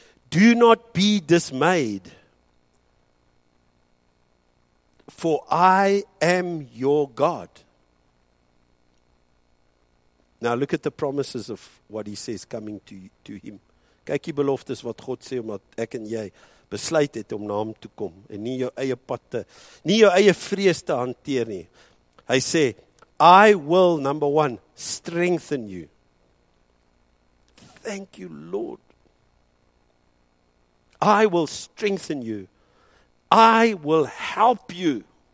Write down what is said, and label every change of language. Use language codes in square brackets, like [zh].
[en] Do not be dismayed, for I am your God. Now look at the promises of what he says coming to him. [af] Kyk die beloftes wat God sê omdat ek en jy besluit het om na hom toe kom en nie jou eie pad te, nie jou eie vrees te hanteer nie. Hy sê, [en] I will, number one, strengthen you. Thank you, Lord. I will strengthen you. I will help you.